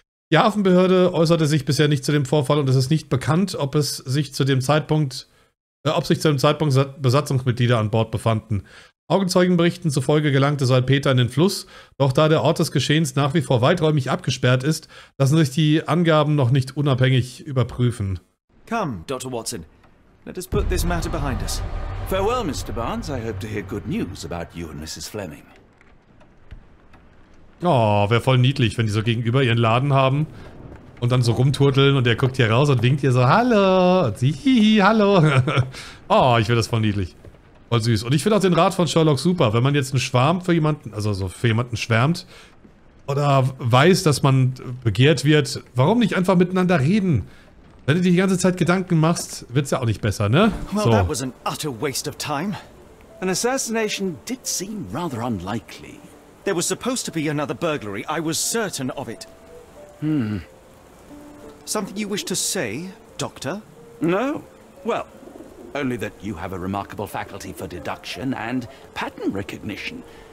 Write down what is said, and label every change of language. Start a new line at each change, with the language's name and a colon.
German: Die Hafenbehörde äußerte sich bisher nicht zu dem Vorfall und es ist nicht bekannt, ob sich zu dem Zeitpunkt Besatzungsmitglieder an Bord befanden. Augenzeugenberichten zufolge gelangte Salpeter in den Fluss, doch da der Ort des Geschehens nach wie vor weiträumig abgesperrt ist, lassen sich die Angaben noch nicht unabhängig überprüfen.
English: Come, Dr. Watson. Let us put this matter behind us. Farewell, Mr. Barnes. I hope to hear good news about you and Mrs. Fleming.
German: Oh, wäre voll niedlich, wenn die so gegenüber ihren Laden haben und dann so rumturteln und der guckt hier raus und winkt ihr so, hallo, und sie, hihi, hallo. Oh, ich finde das voll niedlich. Voll süß. Und ich finde auch den Rat von Sherlock super, wenn man jetzt einen Schwarm für jemanden, also so für jemanden schwärmt oder weiß, dass man begehrt wird, warum nicht einfach miteinander reden? Wenn du dir die ganze Zeit Gedanken machst, wird es ja auch nicht besser, ne?
English: So. Well, that was an utter waste of time. An assassination did seem rather unlikely. There was supposed to be another burglary. I was certain of it. Something you wish to say, Doctor? No. Well, only that you have a remarkable faculty for deduction and pattern recognition.